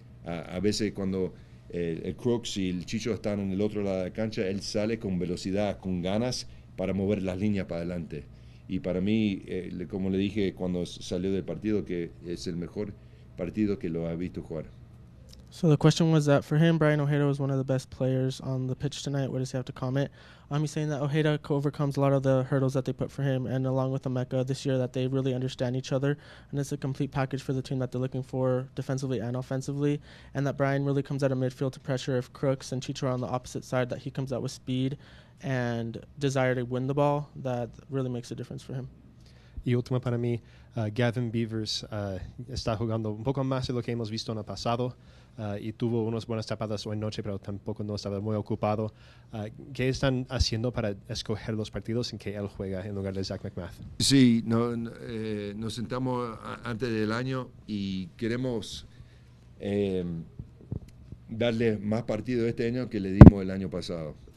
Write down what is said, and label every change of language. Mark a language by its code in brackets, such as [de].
[es] A veces cuando el Crooks y el Chicho están en el otro lado de la cancha, él sale con velocidad, con ganas para mover las líneas para adelante. Y para mí, como le dije cuando salió del partido, que es el mejor partido que lo ha visto jugar. [en] So the question was that for him, Brian Ojeda was one of the best players on the pitch tonight. What does he have to comment? He's saying that Ojeda overcomes a lot of the hurdles that they put for him, and along with Emeka this year, that they really understand each other, and it's a complete package for the team that they're looking for defensively and offensively, and that Brian really comes out of midfield to pressure. If Crooks and Chicho are on the opposite side, that he comes out with speed and desire to win the ball, that really makes a difference for him. [es] Y último para mí, Gavin Beavers está jugando un poco más de lo que hemos visto en el pasado. Y tuvo unas buenas tapadas hoy noche, pero tampoco no estaba muy ocupado. ¿Qué están haciendo para escoger los partidos en que él juega en lugar de Zach McMath? Sí, nos sentamos antes del año y queremos darle más partidos este año que le dimos el año pasado.